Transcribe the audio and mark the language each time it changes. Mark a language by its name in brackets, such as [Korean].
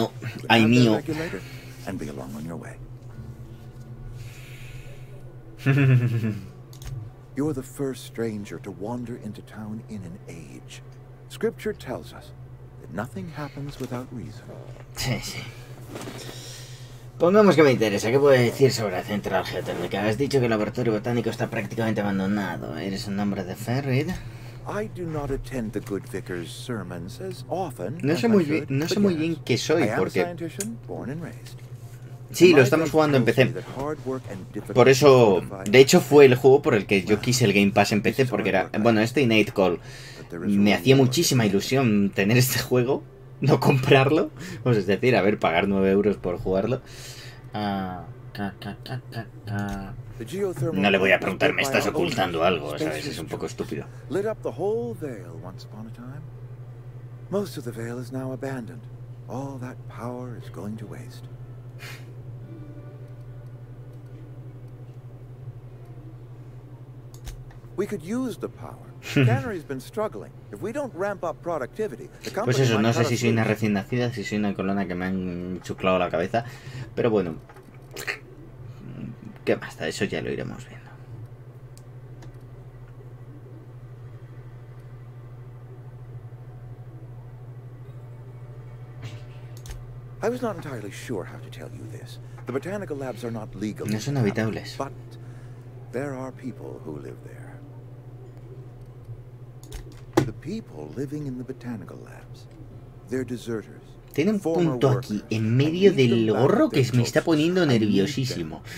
[English] will have the regulator and be along on your way. You're the first stranger to wander into town in an age. Scripture tells us that nothing happens without reason. [Spanish] Pongamos que me interesa, ¿qué puedes decir sobre la central geotérmica? Has dicho que el laboratorio botánico está prácticamente abandonado. ¿Eres un hombre de fe, Reed? [English] I do not attend the good vicar's sermons as often. [Spanish] No sé muy bien qué soy porque [English] born and raised. [Spanish] Sí, lo estamos jugando en PC. Por eso, de hecho fue el juego por el que yo quise el Game Pass en PC porque era, bueno, este Night Call. Me hacía muchísima ilusión tener este juego, no comprarlo, pues es decir, a ver, pagar 9 euros por jugarlo. No le voy a preguntar, me estás ocultando algo, ¿sabes? Es un poco estúpido. [English] Lit up the whole veil once upon a time. Most of the veil is now abandoned. All that power is going to waste. We could use the power. Cannery's been struggling. If we don't ramp up productivity, the company. [Spanish] Pues eso, no sé si soy una recién nacida, si soy una colona que me han chuclado la cabeza, pero bueno. ¿Qué más? De eso ya lo iremos viendo. [English] I was not entirely sure how to tell you this. The botanical labs are not legal. [Spanish] No son habitables. [English] But there are people who live there. The people living in the botanical labs, they're deserters. [Spanish] Tiene un punto aquí en medio del gorro que me está poniendo nerviosísimo.